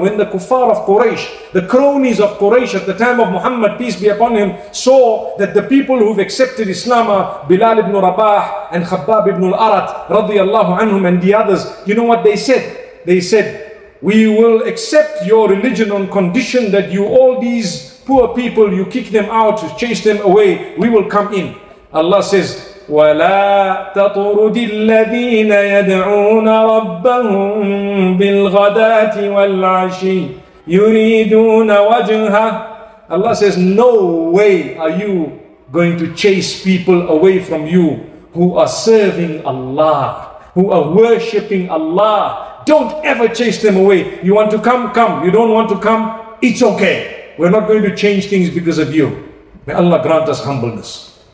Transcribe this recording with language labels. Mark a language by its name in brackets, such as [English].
[English] When the kuffar of Quraysh, the cronies of Quraysh at the time of Muhammad, peace be upon him, saw that the people who've accepted Islam are Bilal ibn Rabah and Khabbab ibn al-Arat, radiallahu anhum, and the others, you know what they said? They said, we will accept your religion on condition that you, all these poor people, you kick them out, you chase them away, we will come in. Allah says, [Arabic] وَلَا تَطُرُدِ الَّذِينَ يَدْعُونَ رَبَّهُمْ بِالْغَدَاتِ وَالْعَشِيِّ يُرِيدُونَ وَجْهَهُ. [English] Allah says, no way are you going to chase people away from you who are serving Allah, who are worshipping Allah. Don't ever chase them away. You want to come? Come. You don't want to come? It's okay. We're not going to change things because of you. May Allah grant us humbleness.